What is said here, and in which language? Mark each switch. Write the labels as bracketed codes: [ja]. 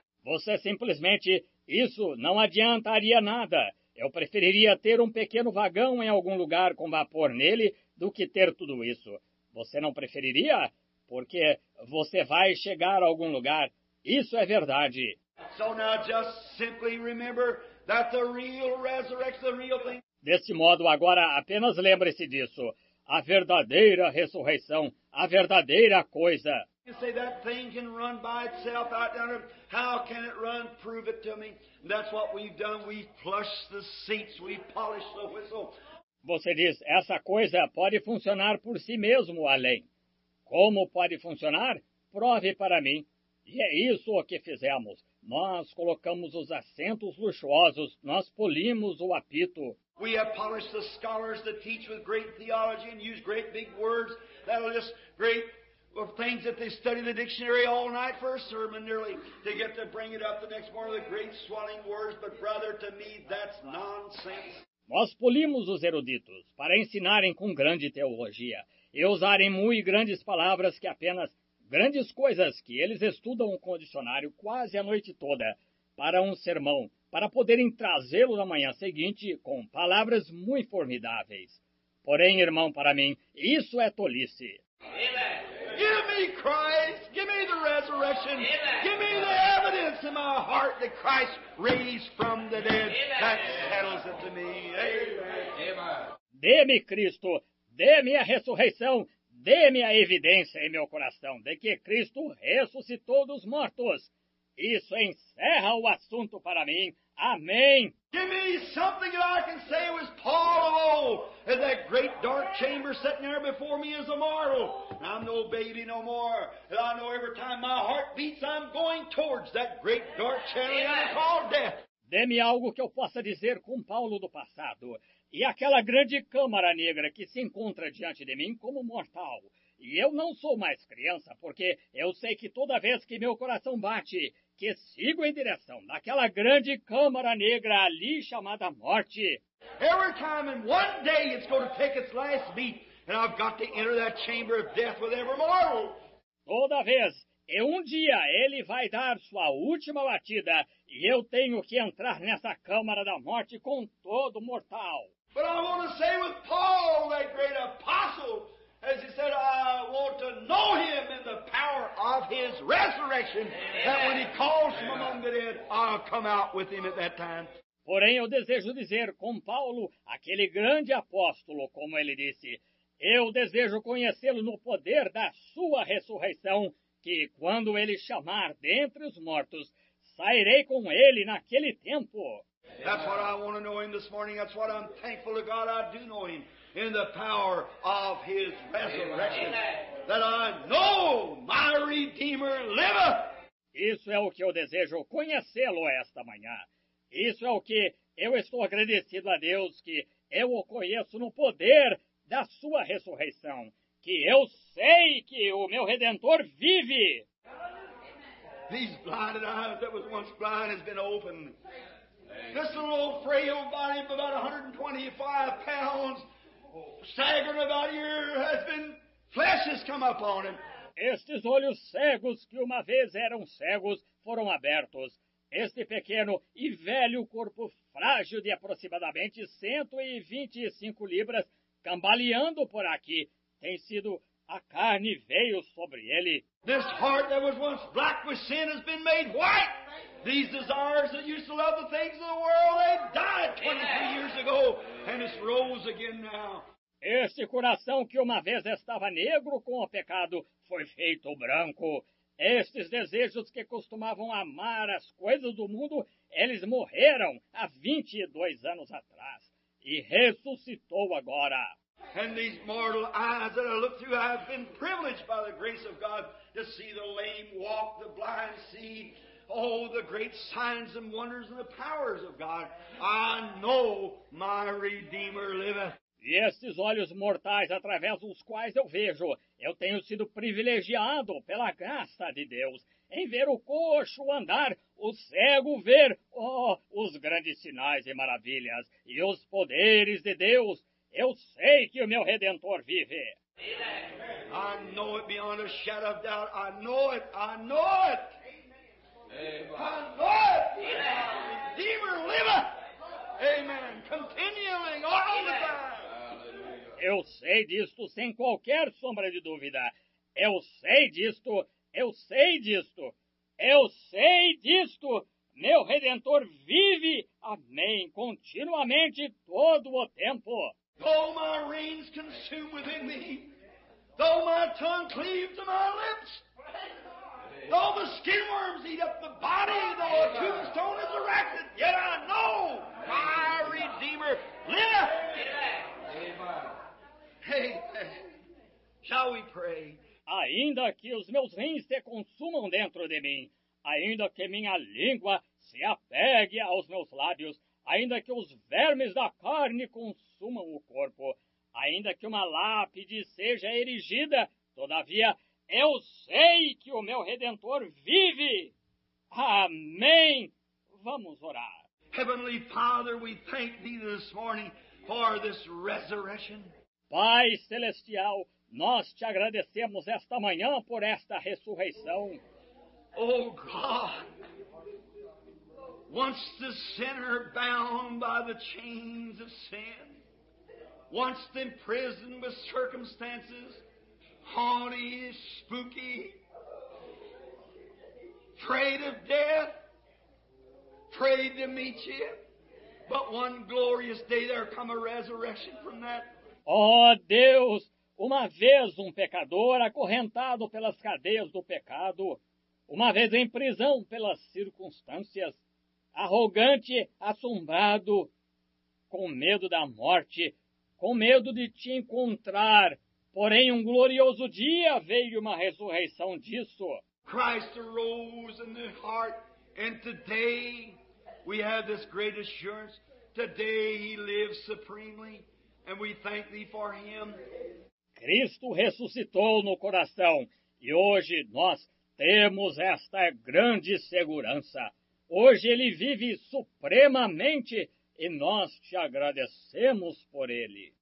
[pt] Você simplesmente, isso não adiantaria nada. Eu preferiria ter um pequeno vagão em algum lugar com vapor nele do que ter tudo isso. Você não preferiria? Porque você vai chegar a algum lugar. Isso é verdade. [en] So now just simply remember that the real resurrection, the real thing. [pt] Desse modo, agora apenas lembre-se disso. A verdadeira ressurreição, a verdadeira coisa. [en] You say that thing can run by itself out there. How can it run? Prove it to me. That's what we've done. We've plushed the seats. We've polished the whistle. [pt] Você diz, essa coisa pode funcionar por si mesmo, além. Como pode funcionar? Prove para mim. E é isso o que fizemos. Nós colocamos os assentos luxuosos. Nós polimos o apito. [en] We have polished the scholars that teach with great theology and use great big words that are just great. Of things that they study the dictionary all night for a sermon, nearly to get to bring it up the next morning, the great swelling words. But brother, to me, that's nonsense. [pt] Nós polimos os eruditos para ensinarem com grande teologia e usarem muito grandes palavras que apenas grandes coisas que eles estudam com o dicionário quase a noite toda para um sermão, para poderem trazê-lo na manhã seguinte com palavras muito formidáveis. Porém, irmão, para mim, isso é tolice. [en] Give me Christ, give me the resurrection, give me the evidence in my heart that Christ raised from the dead. That settles it to me. Amen. [pt] Dê-me Cristo, dê-me a ressurreição, dê-me a evidência em meu coração de que Cristo ressuscitou dos mortos. Isso encerra o assunto para mim. Amém. [en] Give me something that I can say was Paul of old, in that great dark chamber sitting there before me as a mortal. And I'm no baby no more. And I know every time my heart beats, I'm going towards that great dark chamber called death. [pt] Dê-me algo que eu possa dizer com Paulo do passado. E aquela grande câmara negra que se encontra diante de mim como mortal. E eu não sou mais criança, porque eu sei que toda vez que meu coração bate, que sigo em direção daquela grande câmara negra ali chamada morte. [en] Every time in one day it's going to take its last beat, and I've got to enter that chamber of death with every mortal. [pt] Toda vez, e um dia ele vai dar sua última batida, e eu tenho que entrar nessa câmara da morte com todo mortal. [en] But I want to say with Paul, that great apostle, as he said, I want to know him in the power of his resurrection, that when he calls from among the dead, I'll come out with him at that time. [pt] Porém, eu desejo dizer com Paulo, aquele grande apóstolo, como ele disse, eu desejo conhecê-lo no poder da sua ressurreição, que quando ele chamar dentre os mortos, sairei com ele naquele tempo. [en] That's what I want to know him this morning. That's what I'm thankful to God I do know him. In the power of his resurrection. Amen. That I know my Redeemer liveth. [pt] Isso é o que eu desejo conhecê-lo esta manhã. Isso é o que eu estou agradecido a Deus que eu o conheço no poder da sua ressurreição. Que eu sei que o meu Redentor vive. [en] These blinded eyes that was once blind has been opened. This little old frail body of about 125 pounds staggering about here has been flesh has come upon him. [pt] Estes olhos cegos que uma vez eram cegos foram abertos. Este pequeno e velho corpo frágil de aproximadamente 125 libras cambaleando por aqui tem sido a carne veio sobre ele. [en] This heart that was once black with sin has been made white. These desires that used to love the things of the world, they died 23 years ago and it's rose again now. [pt] Este coração que uma vez estava negro com o pecado foi feito branco. Estes desejos que costumavam amar as coisas do mundo, eles morreram há 22 anos atrás e ressuscitou agora. [en] And these mortal eyes that I look through, I've been privileged by the grace of God to see the lame walk, the blind see. Oh, the great signs and wonders and the powers of God. I know my Redeemer liveth. [pt] E estes olhos mortais através dos quais eu vejo, eu tenho sido privilegiado pela graça de Deus em ver o coxo andar, o cego ver, oh, os grandes sinais e maravilhas e os poderes de Deus. Eu sei que o meu Redentor vive. [en] I know it beyond a shadow of doubt. I know it. I know it. Amen. I know it. Amen. Redeemer liveth. Amen. Continuing all the time. [pt] Eu sei disto sem qualquer sombra de dúvida. Eu sei disto. Eu sei disto. Eu sei disto. Meu Redentor vive, amém, continuamente, todo o tempo. [en] Though my reins consume within me, though my tongue cleave to my lips, though the skin worms eat up the body, though a tombstone is erected, yet I know my Redeemer liveth. Hey, shall we pray? [pt] Ainda que os meus rins se consumam dentro de mim, ainda que minha língua se apegue aos meus lábios, ainda que os vermes da carne consumam o corpo, ainda que uma lápide seja erigida, todavia eu sei que o meu Redentor vive. Amém. Vamos orar. [en] Heavenly Father, we thank thee this morning for this resurrection. [pt] Pai Celestial, nós te agradecemos esta manhã por esta ressurreição. [en] Oh, God, once the sinner bound by the chains of sin, once imprisoned with circumstances, haughty, spooky, afraid of death, afraid to meet you, but one glorious day there come a resurrection from that. [pt] Oh, Deus, uma vez um pecador acorrentado pelas cadeias do pecado, Uma vez em prisão pelas circunstâncias, arrogante, assombrado, com medo da morte, com medo de te encontrar. Porém, um glorioso dia veio uma ressurreição disso. [en] Christ arose in the heart, and today we have this great assurance. Today he lives supremely, and we thank thee for him. [pt] Cristo ressuscitou no coração, e hoje nós temos esta grande segurança. Hoje ele vive supremamente, e nós te agradecemos por ele.